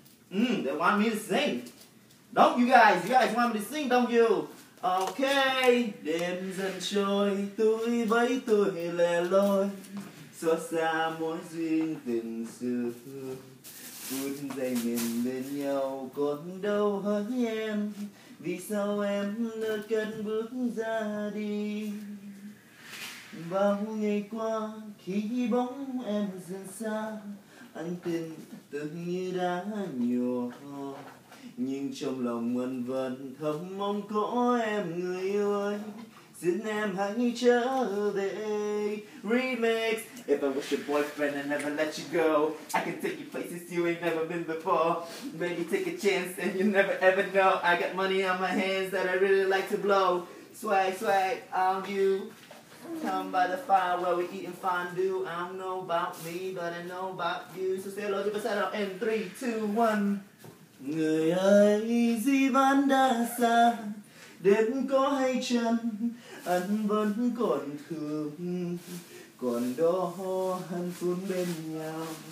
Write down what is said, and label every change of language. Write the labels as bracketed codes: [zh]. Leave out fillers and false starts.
[en] They want me to sing. Don't you guys? You guys want me to sing, don't you? Okay. [vi] Đêm dần trôi, tôi với tôi lẻ loi. Xót xa mối duyên tình xưa. Cuốn dây mình bên nhau còn đâu hỡi em. Vì sao em nỡ cất bước ra đi. Bao ngày qua khi bóng em dần xa. Anh tin tưởng như đã nhiều nhưng trong lòng anh vẫn thầm mong có em người yêu ơi xin em hãy trở về remix. [en] If I was your boyfriend and never let you go, I can take you places you ain't never been before. Maybe take a chance and you never ever know. I got money on my hands that I really like to blow. Swag on you. Come by the fire where we eatin' fondue. I don't know about me, but I know about you. So say hello to the set up in 3, 2, 1. [vi] Người ơi, dì vẫn đã xa. Đêm có hay chân, anh vẫn còn thương. Còn đó hạnh phúc bên nhau.